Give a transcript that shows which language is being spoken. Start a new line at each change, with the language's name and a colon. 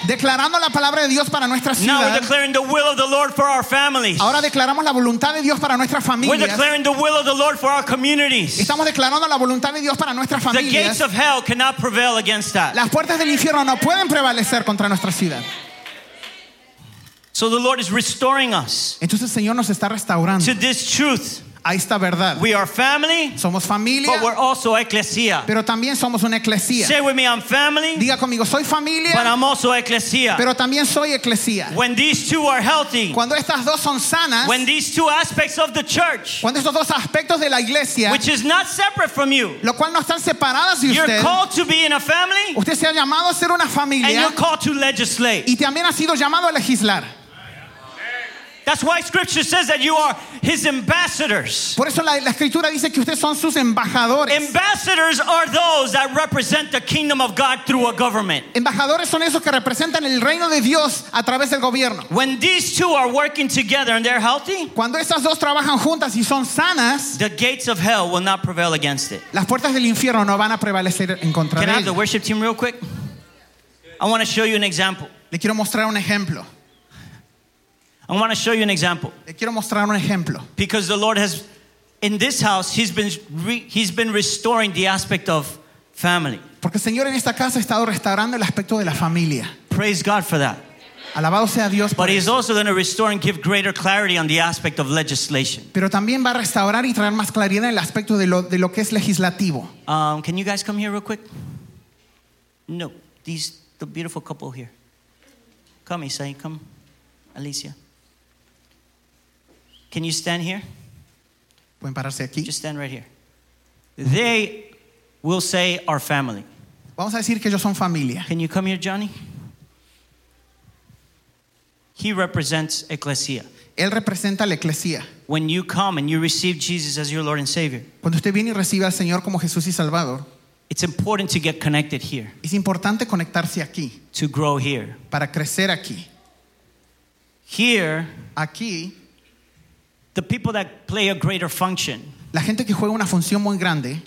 Spanish: declarando la palabra de Dios para nuestra ciudad,
English: now we're declaring the will of the Lord for our families,
Spanish: ahora declaramos la voluntad de Dios para nuestras familias.
English: We're declaring the will of the Lord for our communities.
Spanish: Estamos declarando la voluntad de Dios para nuestras familias.
English: The gates of hell cannot prevail against that.
Spanish: Las puertas del infierno no pueden prevalecer contra nuestra ciudad.
English: So the Lord is restoring us.
Spanish: Entonces el Señor nos está restaurando.
English: To this truth.
Spanish: A esta verdad.
English: We are family.
Spanish: Somos familia.
English: But we're also ecclesia.
Spanish: Pero también somos una eclesia.
English: Say with me, I'm family.
Spanish: Diga conmigo, soy familia.
English: But I'm also ecclesia.
Spanish: Pero también soy eclesia.
English: When these two are healthy.
Spanish: Cuando estas dos son sanas.
English: When these two aspects of the church.
Spanish: Cuando estos dos aspectos de la iglesia.
English: Which is not separate from you.
Spanish: Lo cual no están separadas de
English: you're
Spanish: usted.
English: You're called to be in a family.
Spanish: Usted se ha llamado a ser una familia.
English: And you're called to legislate.
Spanish: Y también ha sido llamado a legislar.
English: That's why Scripture says that you are His ambassadors.
Spanish: Por eso la Escritura dice que ustedes son sus embajadores.
English: Ambassadors are those that represent the kingdom of God through a government.
Spanish: Embajadores son esos que representan el reino de Dios a través del gobierno.
English: When these two are working together and they're healthy,
Spanish: cuando estas dos trabajan juntas y son sanas,
English: the gates of hell will not prevail against it.
Spanish: Las puertas del infierno no van a prevalecer en contra de
English: ellas. Can I have the worship team real quick? I want to show you an example.
Spanish: Le quiero mostrar un ejemplo.
English: I want to show you an example.
Spanish: Te quiero mostrar un ejemplo.
English: Because the Lord has, in this house, he's been restoring the aspect of family.
Spanish: Porque el Señor en esta casa ha estado restaurando el aspecto de la familia.
English: Praise God for that.
Spanish: Alabado sea Dios por eso. But
English: he's also going to restore and give greater clarity on the aspect of legislation.
Spanish: Pero también va a restaurar y traer más claridad en el aspecto de lo que es legislativo.
English: Can you guys come here real quick? No, the beautiful couple here. Come, Isai, come, Alicia. Can you stand here?
Spanish: Pueden pararse aquí.
English: Just stand right here. They will say our family.
Spanish: Vamos a decir que ellos son familia.
English: Can you come here, Johnny? He represents Ecclesia.
Spanish: Él representa la Ecclesia.
English: When you come and you receive Jesus as your Lord and Savior,
Spanish: cuando usted viene y recibe al Señor como Jesús y Salvador,
English: it's important to get connected here.
Spanish: Es importante conectarse aquí.
English: To grow here.
Spanish: Para crecer aquí.
English: Here,
Spanish: aquí,
English: the people that play a greater function,
Spanish: la gente que juega una función muy grande,